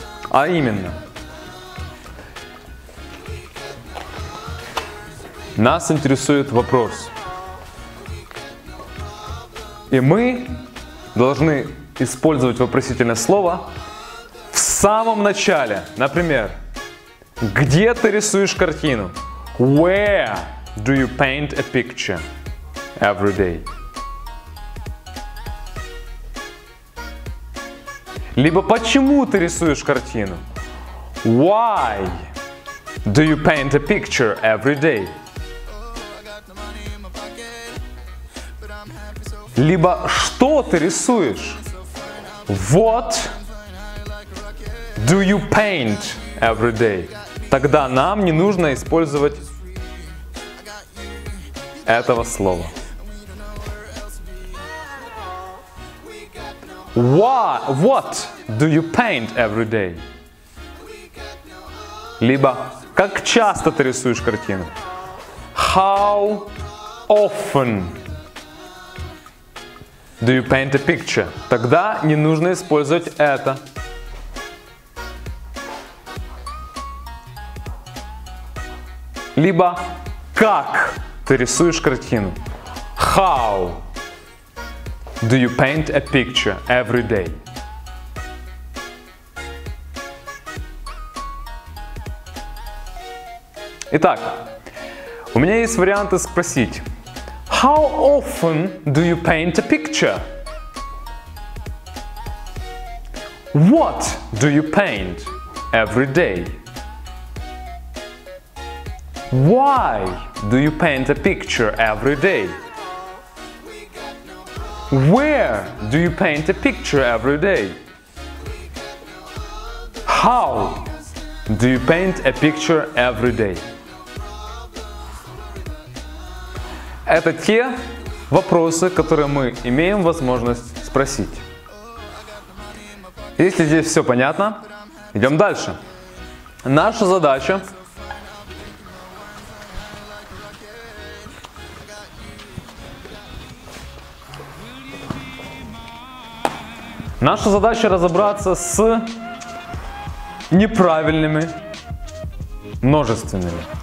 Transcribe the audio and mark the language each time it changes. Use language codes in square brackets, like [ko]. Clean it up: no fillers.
[ru] А именно, нас интересует вопрос. И мы должны использовать вопросительное слово в самом начале. Например, где ты рисуешь картину? [en] Where do you paint a picture every day? [ru] Либо почему ты рисуешь картину? [en] Why do you paint a picture every day? [ru] Либо что ты рисуешь? [en] What do you paint every day? [ru] Тогда нам не нужно использовать этого слова. [en] What do you paint every day? [ru] Либо как часто ты рисуешь картину? [en] How often do you paint a picture? [ru] Тогда не нужно использовать это. Либо как ты рисуешь картину? [en] How do you paint a picture every day? [ru] Итак, у меня есть варианты спросить. [en] How often do you paint a picture? What do you paint every day? Why do you paint a picture every day? Where do you paint a picture every day? How do you paint a picture every day? [ru] Это те вопросы, которые мы имеем возможность спросить. Если здесь все понятно, идем дальше. Наша задача разобраться с неправильными множественными.